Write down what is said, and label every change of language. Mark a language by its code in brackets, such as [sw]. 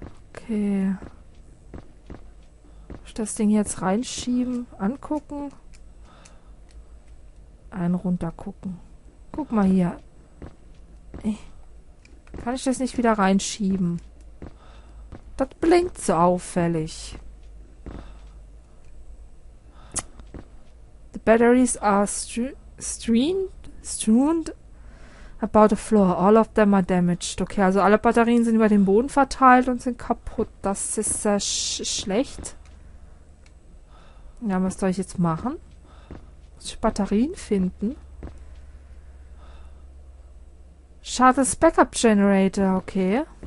[de] Okay. Muss ich das Ding jetzt reinschieben, angucken? Ein runtergucken. Guck mal hier. Kann ich das nicht wieder reinschieben? Das blinkt so auffällig. [en] Batteries are strewn about the floor. All of them are damaged. [de] Okay, also alle Batterien sind über den Boden verteilt und sind kaputt. Das ist schlecht. Ja, was soll ich jetzt machen? Muss ich Batterien finden? [en] Shuttle's Backup Generator. Okay.